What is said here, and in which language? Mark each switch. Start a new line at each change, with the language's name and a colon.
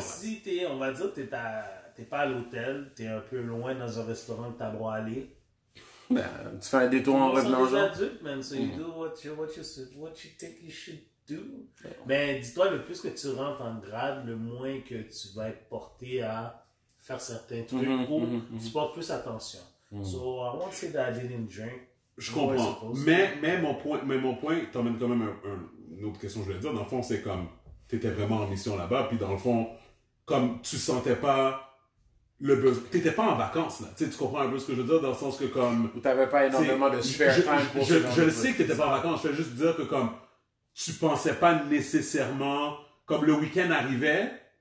French: Si t'es, on va dire que t'es pas à l'hôtel, t'es un peu loin dans un restaurant que t'as droit à aller. Ben, tu fais un détour en revenant. C'est des adultes,
English: man, so you do what you think you should do.
French: Mais dis-toi, le plus que tu rentres en grade, le moins que tu vas être porté à faire certains trucs tu portes plus attention.
English: So I won't say that I didn't drink.
French: Je comprends. Mais mon point t'emmène quand même une autre question, je voulais te dire. Dans le fond, c'est comme, tu étais vraiment en mission là-bas, puis dans le fond, comme tu sentais pas le besoin. Tu n'étais pas en vacances, là. T'sais, tu comprends un peu ce que je veux dire, dans le sens que comme. Tu n'avais pas énormément de super temps pour je le sais que tu n'étais pas en vacances. Je veux juste dire que comme, tu pensais pas nécessairement. Comme le week-end arrivait,